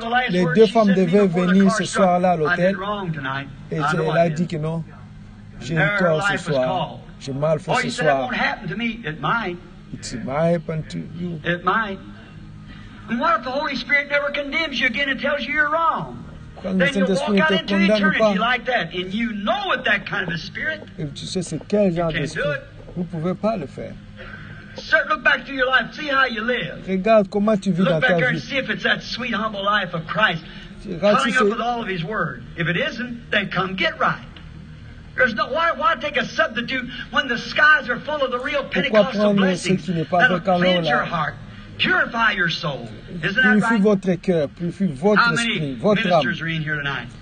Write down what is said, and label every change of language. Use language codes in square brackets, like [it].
[fr] Les deux femmes devaient venir ce soir-là à l'hôtel. Et elle a dit que non, j'ai eu tort ce soir, j'ai mal fait ce soir. [en] It might happen to you. It might. And what if the Holy Spirit never condemns you again and tells you you're wrong? [fr] Quand le Saint-Esprit te condamne pas. [en] Like that, and you know what that kind of a spirit, [fr] et tu sais c'est quel genre d'esprit. Vous ne pouvez pas le faire. [en] Sir, look back through your life, see how you live. [fr] Regarde comment tu vis [en] look [fr] dans ta vie. [en] Look back and see if it's that sweet humble life of Christ. Coming [fr] si [en] up with all of His word. If it isn't, then come get right. There's no why take a substitute when the skies are full of the real Pentecostal blessings [fr] pas [en] that'll cleanse your heart. Purify your soul. [fr] Purifie votre cœur, purifie votre esprit, votre âme.